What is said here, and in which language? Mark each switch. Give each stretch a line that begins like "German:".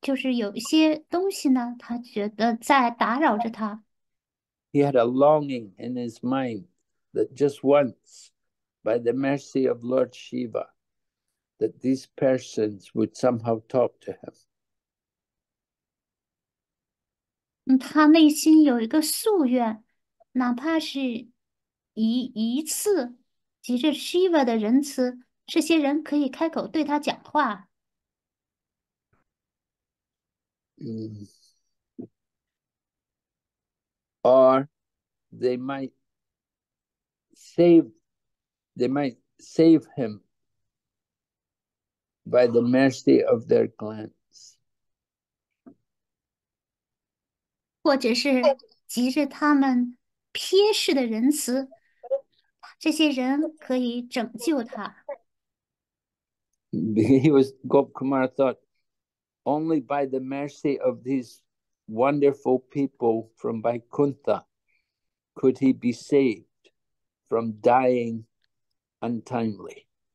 Chinese: 就是有些东西呢，他觉得在打扰着他。
English: He had a longing in his mind that just once, by the mercy of Lord Shiva, that these persons would somehow talk to him.
Chinese: 他内心有一个夙愿，哪怕是一次，急着 Shiva 的仁慈，这些人可以开口对他讲话。
English: Or they might save him by the mercy of their glance.
Chinese: 或者是急着他们瞥视的仁慈，这些人可以拯救他。
English: Gop Kumar thought, only by the mercy of these wonderful people from Vaikuntha could he be saved from dying untimely.